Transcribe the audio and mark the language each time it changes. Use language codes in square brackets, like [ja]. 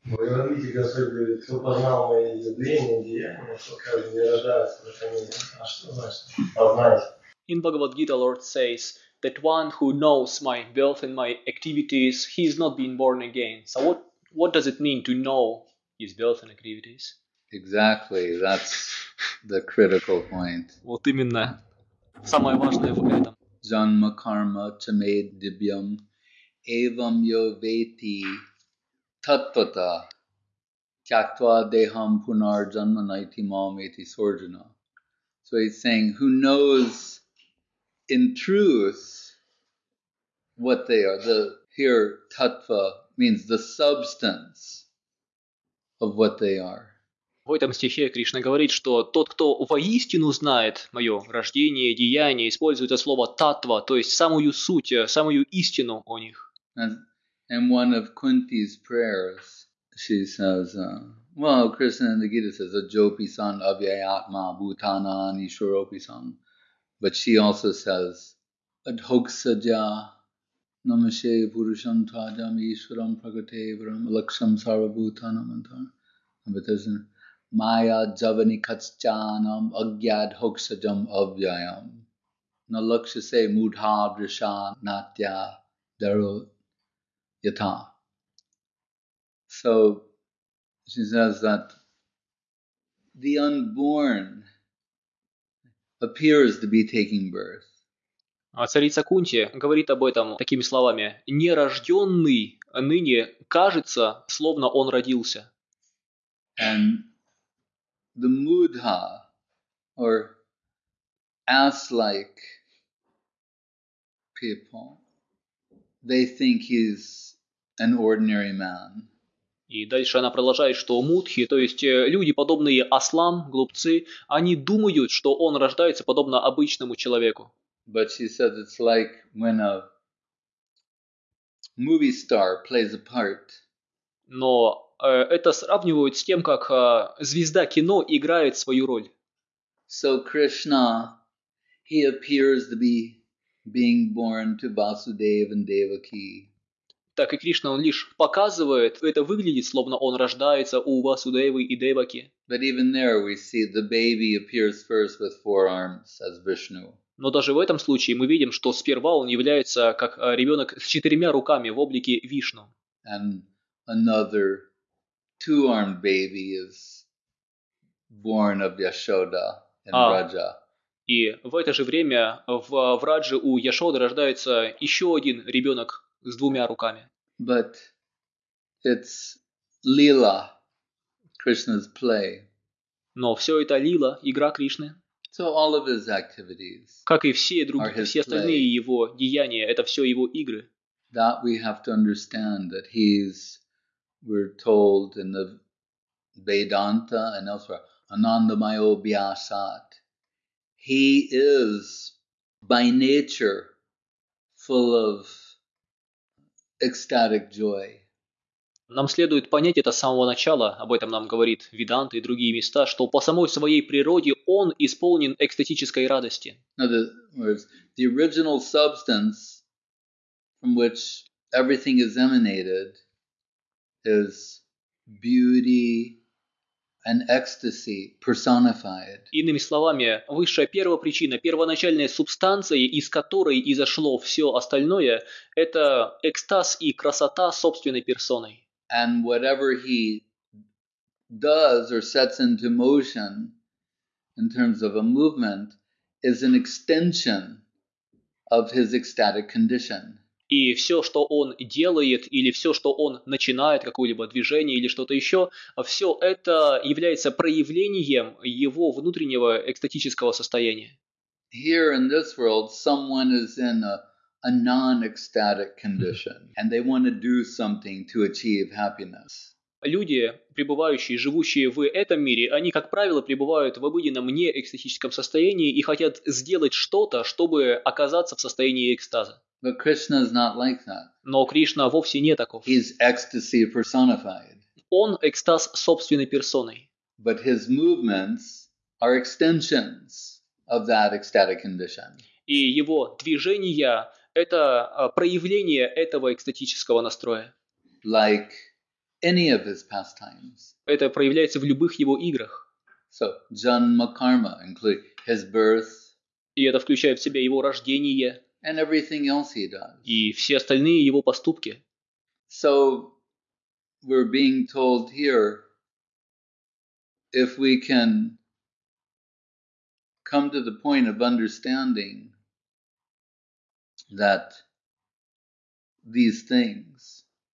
[en] politica sarebbe tutto parlato e gli ordini di non so caso di realtà assolutamente ormai. In Bhagavad Gita, Lord says that one who knows my wealth and my activities, he is not being born again. So what does it mean to know his wealth and activities? Exactly, that's the critical point. [ru] Вот именно. Самое важное в этом. [sa] Janma karma tame dibyam evam yo veti tattvata tyaktva deham punar janma naiti mam eti sorjana. [en] So he's saying, who knows in truth what they are. The here tattva means the substance of what they are. [ru] В этом стихе Кришна говорит, что тот, кто воистину знает мое рождение, деяние, использует это слово «таттва», то есть самую суть, самую истину о них. [en] And one of Kunti's prayers, she says, well, Krishna in the Gita says, [sa] ajopi san avyayatma bhutana nishuropi san. [en] But she also says, [sa] adhoksaja namashe purusham tajam ishwaram prakate varam laksham sarvabhutanam antaram. [en] But there's [sa] Maya javani katschanam agyad hoksajam avyayam. Na laksha se mudha drisha natya daru yata. [en] So she says that the unborn appears to be taking birth. [ru] А царица Кунти говорит об этом такими словами. Нерожденный ныне кажется, словно он родился. [en] And the mudha, or ass-like people, they think he's an ordinary man. [ru] И дальше она продолжает, что мудхи, то есть люди, подобные ослам, глупцы, они думают, что он рождается подобно обычному человеку. [en] But she said it's like when a movie star plays a part. [ru] Но это сравнивают с тем, как звезда кино играет свою роль. [en] So Krishna, he appears to be being born to Vasudeva and Devaki. [ru] Так и Кришна, он лишь показывает, это выглядит, словно он рождается у Васудевы и Деваки. [en] But even there we see the baby appears first with four arms as Vishnu. [ru] Но даже в этом случае мы видим, что сперва он является как ребенок с четырьмя руками в облике Вишну. [en] And another two-armed baby is born of Yashoda and Raja. [ru] И в это же время в Радже у Яшоды рождается еще один ребенок с двумя руками. [en] But it's Lila, Krishna's play. [ru] Но все это Лила, игра Кришны. [en] So all of his activities, [ru] как и все другие, все остальные [en] play. [ru] Его деяния, это все его игры. [en] That we have to understand that he's, we're told in the Vedanta and elsewhere, Anandamayo Vyasat. He is by nature full of ecstatic joy. [ru] Нам следует понять это с самого начала, об этом нам говорит Веданта и другие места, что по самой своей природе он исполнен экстатической радости. [en] In other words, the original substance from which everything is emanated is beauty and ecstasy personified. [ru] Иными словами, высшая первопричина, первоначальная субстанция, из которой изошло все остальное, это экстаз и красота собственной персоной. [en] And whatever he does or sets into motion in terms of a movement is an extension of his ecstatic condition. [ru] И все, что он делает, или все, что он начинает, какое-либо движение или что-то еще, все это является проявлением его внутреннего экстатического состояния. [en] Here in this world, someone is in a non-ecstatic condition, and they want to do something to achieve happiness. [ru] Люди, пребывающие, живущие в этом мире, они, как правило, пребывают в обыденном неэкстатическом состоянии и хотят сделать что-то, чтобы оказаться в состоянии экстаза. [en] But Krishna is not like that. [ru] Но Кришна вовсе не таков. [en] He's ecstasy personified. [ru] Он экстаз собственной персоной. [en] But his movements are extensions of that ecstatic condition. [ru] И его движения – это проявление этого экстатического настроя. [en] Like any of his pastimes. [ru] Это проявляется в любых его играх. [en] So, janma karma include his birth. [ru] И это включает в себя его рождение. [en] And everything else he does. [ru] И все остальные его поступки. [en] So, we're being told here, if we can come to the point of understanding that these things,